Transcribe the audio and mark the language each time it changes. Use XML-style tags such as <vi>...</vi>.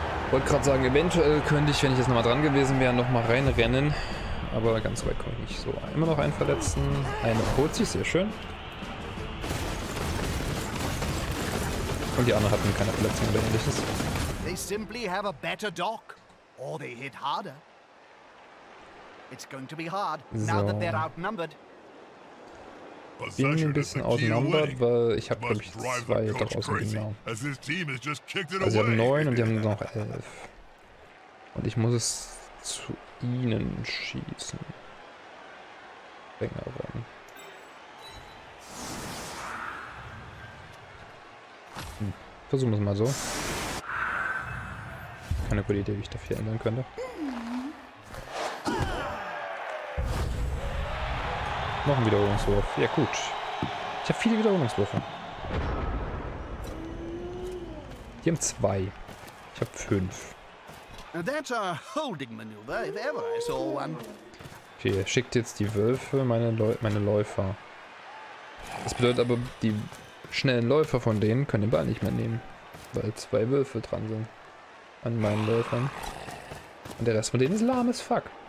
<de>Wollte gerade sagen, eventuell könnte ich, wenn ich jetzt nochmal dran gewesen wäre, nochmal reinrennen. Aber ganz weit komme ich nicht so. Immer noch einen verletzen. Eine holt sich, sehr schön. Und die anderen hatten keine Verletzung oder ähnliches.</de> <en>They simply have a better dock. Or they hit harder. It's going to be hard, now that they're outnumbered.</en> <de>Ich bin ein bisschen outnumbered, weil ich habe, glaube ich, zwei draußen, genau. Also sie haben 9 und die haben noch 11. Und ich muss es zu ihnen schießen. Länger werden. Versuchen wir es mal so. Keine gute Idee, wie ich dafür ändern könnte. Noch ein Wiederholungswurf. Ja gut. Ich habe viele Wiederholungswürfe. Die haben 2. Ich habe 5.</de> <en>That's a holding maneuver, if ever I saw one.</en> <de>Okay, schickt jetzt die Wölfe meine Läufer. Das bedeutet aber, die schnellen Läufer von denen können den Ball nicht mehr nehmen. Weil 2 Wölfe dran sind. An meinen Läufern. Und der Rest von denen ist lahm</de> <en>as fuck.</en>